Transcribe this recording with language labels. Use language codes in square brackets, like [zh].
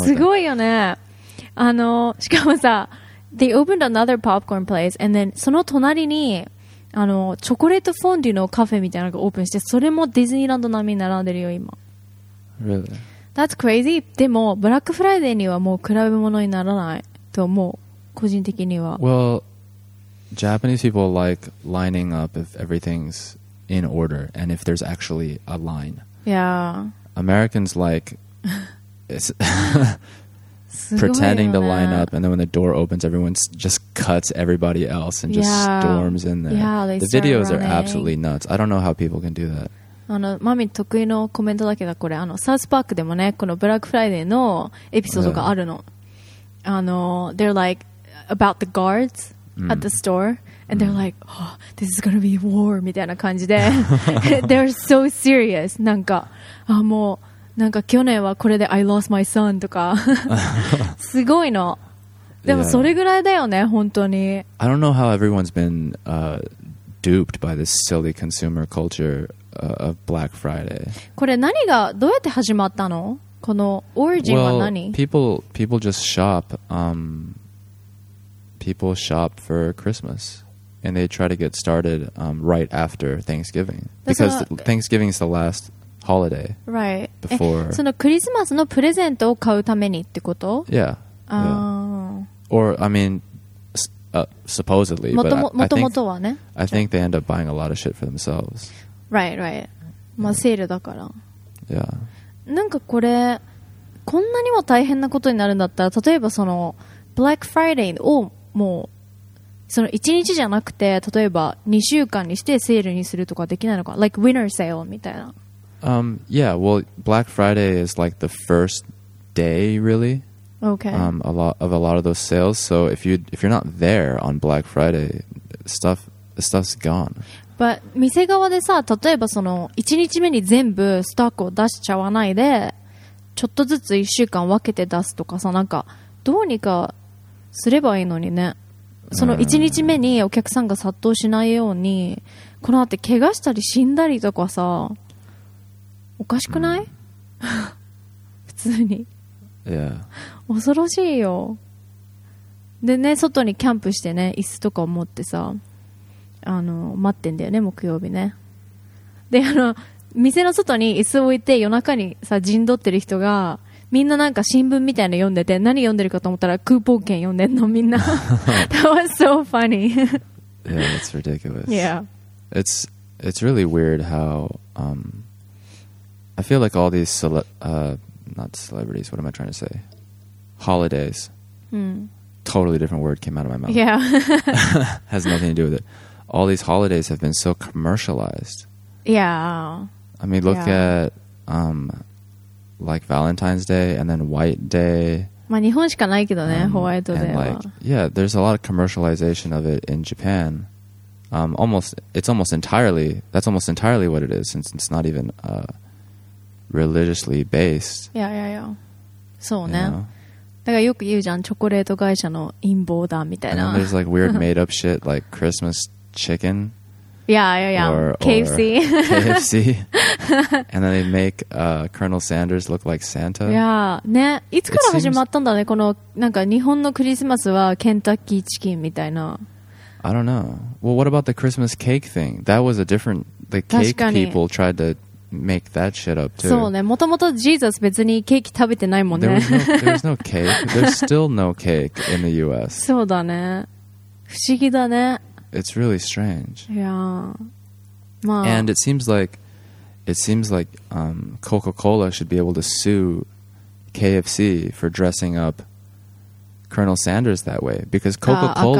[ja] すごいよね。しかもさ、 [en] they opened another popcorn place and then [ja] その隣にチョコレートフォンデュのカフェみたいなのがオープンして、それもディズニーランド並みに並んでるよ今。 [en] Really? That's crazy. [ja] でもブラックフライデーにはもう比べ物にならないと思う、個人的には。 [en] Well, Japanese people like lining up if everything's in order and if there's actually a line. Yeah. Americans like pretending to line up, and then when the door opens, everyone just cuts everybody else and just storms in there. Yeah, they the videos running. Are absolutely nuts. I don't know how people can do that. [ja] あのマミ得意のコメントだけど、これあのサウスパークでもね、このブラックフライデーのエピソードがあるの、あの [en] they're like about the guards at the store、 and they're like、oh, this is gonna be war [ja] みたいな感じで [en] they're so serious、 [ja] なんかあもうなんか去年はこれで [en] I lost my son [ja] とかすごいの。でもそれぐらいだよね、本当に。 [en] I don't know how everyone's been、duped by this silly consumer cultureOf Black Friday. [ja] これ何がどうやって始まったの？このオリジンは何？ [en] Well, people just shop. People shop for Christmas, and they try to get started right after Thanksgiving because Thanksgiving is the last holiday. Right. Before. [ja] そのクリスマスのプレゼントを買うためにってこと？ [en] Yeah. Yeah. Or I mean. Supposedly, but I think they end up buying a lot of shit for themselves. Right, right. [ja] まあ、セールだから。 [en] Yeah. [ja] なんかこれこんなにも大変なことになるんだったら、例えばその Black Friday をもうその1日じゃなくて、例えば2週間にしてセールにするとかできないのか、 like Winter Sale みたいな。 [en] Yeah. Well, Black Friday is like the first day, really. Okay. A lot of those sales. So if you're not there on Black Friday, stuff's gone. But [ja] 店側でさ、例えばその1日目に全部スタックを出しちゃわないで、ちょっとずつ1週間分けて出すとかさ、なんかどうにかすればいいのにね。その1日目にお客さんが殺到しないように、この後怪我したり死んだりとかさ、おかしくない？普通に。 [en] Yeah. [ja] 恐ろしいよ。でね、外にキャンプしてね、椅子とか持ってさ、あの待ってんだよね、木曜日ね。で、あの店の外に椅子置いて、夜中にさ陣取ってる人がみんななんか新聞みたいなの読んでて、何読んでるかと思ったらクーポン券読んでんの、みんな。 [en] That was so funny. Yeah, it's ridiculous. Yeah. It's really weird how I feel like all these not celebrities, what am I trying to say? Holidays. Totally different word came out of my mouth. Yeah. Has nothing to do with it. All these holidays have been so commercialized. Yeah. I mean, look at like Valentine's Day and then White Day. [ja] まあ日本しかないけどね、ホワイトデーは。 [en] And like, yeah, there's a lot of commercialization of it in Japan. That's almost entirely what it is, since it's not even... religiously based. Yeah, yeah, yeah. [ja] そうね。だからよく言うじゃん、チョコレート会社の陰謀だみたいな。 [en] And there's like weird made up shit like Christmas chicken. Yeah, yeah, yeah. Or KFC. KFC. And then they make Colonel Sanders look like Santa. Yeah, [ja] ね。いつから始まったんだね、このなんか日本のクリスマスはケンタッキーチキンみたいな。 [en] I don't know. Well, what about the Christmas cake thing? That was a different... The cake people tried to... Make that shit up too. [ja] そうね。もともとジーザス別にケーキ食べてないもんね。 [en] There's no cake. There's still no cake in the U.S. [ja] そうだね。不思議だね。 [en] It's really strange. Yeah. [ja] まあ。 [en] And it seems like Coca-Cola should be able to sue KFC for dressing up Colonel Sanders that way because Coca-Cola.